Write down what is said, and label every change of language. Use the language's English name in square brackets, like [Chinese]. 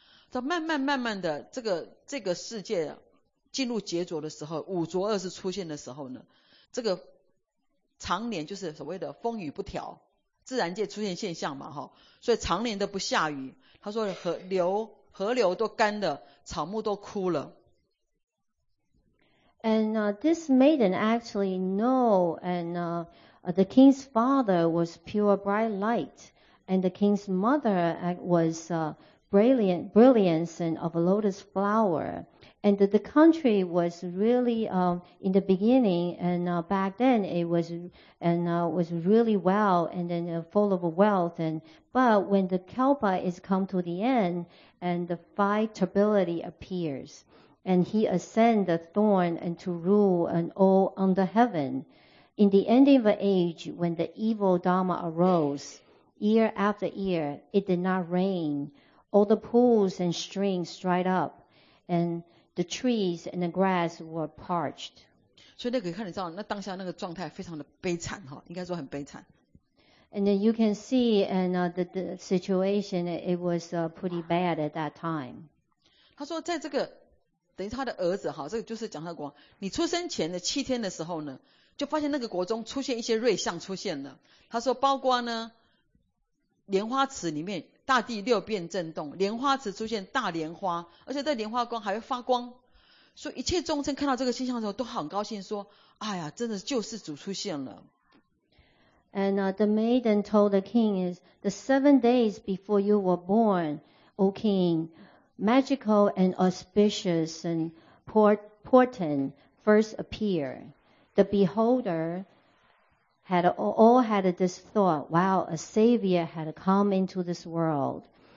[Chinese] 到慢慢慢慢的这个世界进入劫浊的时候，五浊恶世出现的时候呢，这个常年就是所谓的风雨不调，自然界出现现象嘛，哈，所以常年都不下雨。他说河流都干了，草木都枯了。 [English] And this maiden actually know, and the king's father was pure bright light, and the king's mother was brilliance and of a lotus flower. And the country was really in the beginning, and back then it was was really well, and then full of wealth. And but when the Kalpa is come to the end, and the five turbidity appears, and he ascend the throne and to rule and all under heaven. In the ending of the age, when the evil Dharma arose, year after year, it did not rain. All the pools and streams dried up, and the trees and the grass were parched. [Chinese] 所以那个看得到，那当下那个状态非常的悲惨哈，应该说很悲惨。 [English] And then you can see, and the situation it was pretty bad at that time. [Chinese] 他说，在这个等于他的儿子哈，这个就是讲他的国王。你出生前的七天的时候呢，就发现那个国中出现一些瑞象出现了。他说，包括呢，莲花池里面。大地六变震动，莲花池出现大莲花，而且在莲花光还会发光，所以一切众生看到这个现象的时候都很高兴，说：“哎呀，真的救世主出现了。” [English] And the maiden told the king is the 7 days before you were born, O king, magical and auspicious and portent first appear. The beholder had this thought, wow, a savior had come into this world.